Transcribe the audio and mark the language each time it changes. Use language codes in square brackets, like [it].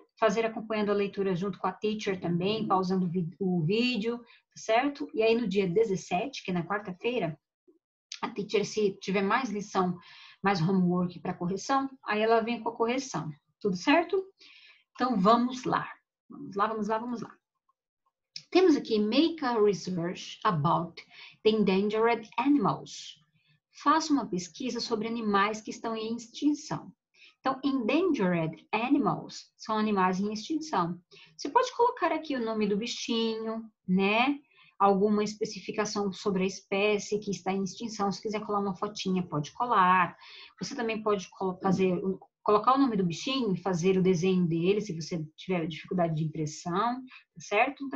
[pt] Fazer acompanhando a leitura junto com a teacher também, pausando o vídeo, certo? E aí no dia 17, que é na quarta-feira, a teacher, se tiver mais lição, mais homework para correção, aí ela vem com a correção, tudo certo? Então vamos lá. Vamos lá, vamos lá, vamos lá. Temos aqui: [en] make a research about the endangered animals. [pt] Faça uma pesquisa sobre animais que estão em extinção. Então, endangered animals são animais em extinção. Você pode colocar aqui o nome do bichinho, né? Alguma especificação sobre a espécie que está em extinção. Se quiser colar uma fotinha, pode colar. Você também pode colocar o nome do bichinho e fazer o desenho dele, se você tiver dificuldade de impressão, certo?